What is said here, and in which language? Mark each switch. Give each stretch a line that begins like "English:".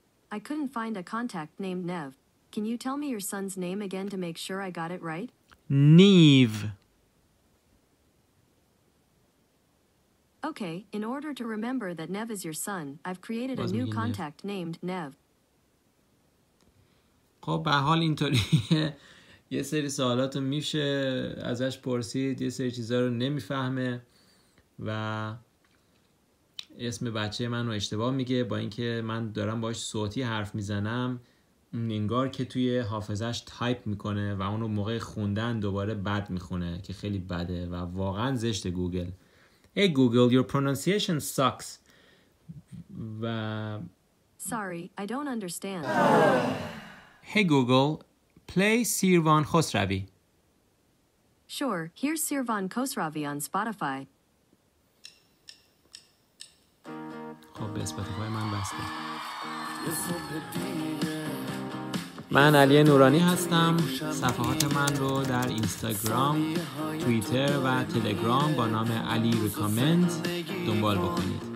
English: I couldn't find a contact named Neve. Can you tell me your son's name again to make sure I got it right? Neve. Okay, in order to remember that Neve is your son, I've created a new contact named Neve.
Persian: خب به حال اینطوریه، یه سری سوالات رو میشه ازش پرسید، یه سری چیزها رو نمیفهمه و اسم بچه من رو اشتباه میگه، با اینکه من دارم باش صوتی حرف میزنم انگار که توی حافظش تایپ میکنه و اونو موقع خوندن دوباره بد میخونه که خیلی بده و واقعا زشت.
English: Google, Hey Google, your pronunciation sucks.
Persian: و
English: Sorry, I don't understand. Hey Google, play Sirvan Khosravi. Sure, here's Sirvan Khosravi on Spotify.
Persian: خب به Spotify من بسته. من علی نورانی هستم. صفحات من رو در اینستاگرام، توییتر و تلگرام با نام علی ریکامند دنبال بکنید.